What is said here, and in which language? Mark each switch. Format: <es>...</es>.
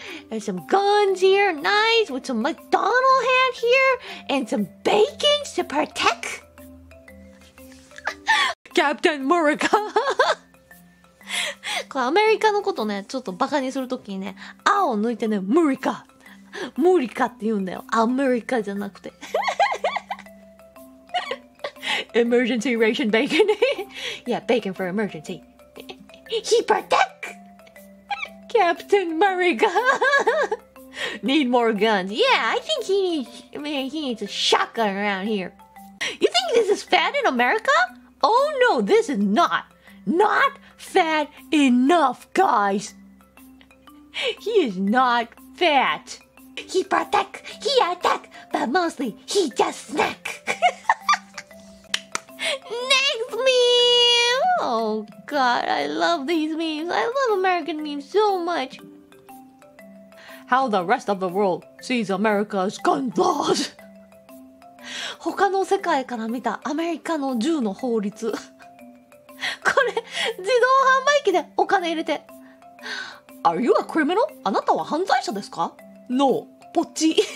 <en>There's some guns here, nice, with some McDonald hat here, and some bacon to protect.</en> <ja>キャプテンムリカ。これアメリカのことね、ちょっとバカにするときにね、あを抜いてね、ムリカ。ムリカって言うんだよ。アメリカじゃなくて。</ja> <en>Emergency ration bacon. Yeah, bacon for emergency. Hypertech! Captain Murica. Need more guns. Yeah, I think he needs a shotgun around here. You think this is fat in America? Oh no, this is not. Not fat enough, guys. He is not fat. He protect, he attack, but mostly he just snack. Next meme! Oh god, I love these memes. I love American memes so much. How the rest of the world sees America's gun laws.</en> <ja>他の世界から見たアメリカの銃の法律。これ自動販売機でお金入れて</ja> <en>Are you a criminal?</en> <ja>あなたは犯罪者ですか</ja> <en>No,</en> <ja>ポッチ</ja>